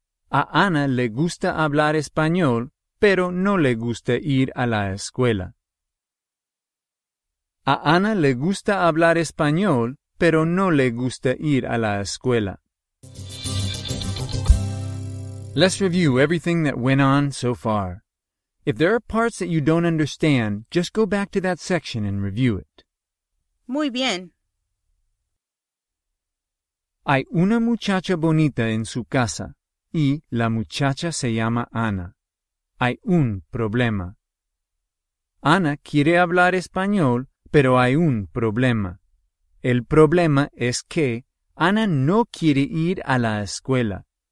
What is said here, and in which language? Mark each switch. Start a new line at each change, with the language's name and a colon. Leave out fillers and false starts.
Spanish: A Ana le gusta hablar español, pero no le gusta ir a la escuela. A Ana le gusta hablar español, pero no le gusta ir a la escuela.
English: Let's review everything that went on so far. If there are parts that you don't understand, just go back to that section and review it.
Spanish: Muy bien. Hay una muchacha bonita en su casa, y la muchacha se llama Ana. Hay un problema. Ana quiere hablar español, pero hay un problema. El problema es que Ana no quiere ir a la escuela.